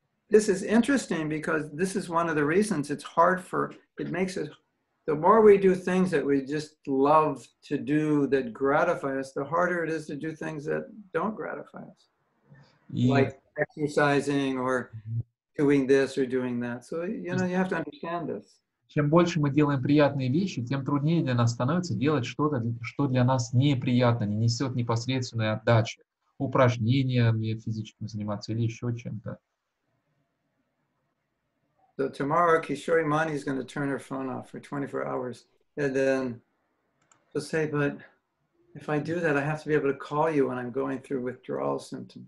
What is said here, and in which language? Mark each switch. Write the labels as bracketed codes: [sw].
[en] This is interesting because this is one of the reasons it's hard for, it makes us, the more we do things that we just love to do that gratify us, the harder it is to do things that don't gratify us. Yeah. Like exercising or doing this or doing that. So, you have to understand this. [ru] Чем больше мы делаем приятные вещи, тем труднее для нас становится делать что-то, что для нас неприятно, не несет непосредственной отдачи, упражнениями физическими заниматься или еще чем-то. [en] So tomorrow Kishori Mani is going to turn her phone off for 24 hours and then she'll say, but if I do that, I have to be able to call you when I'm going through withdrawal symptoms.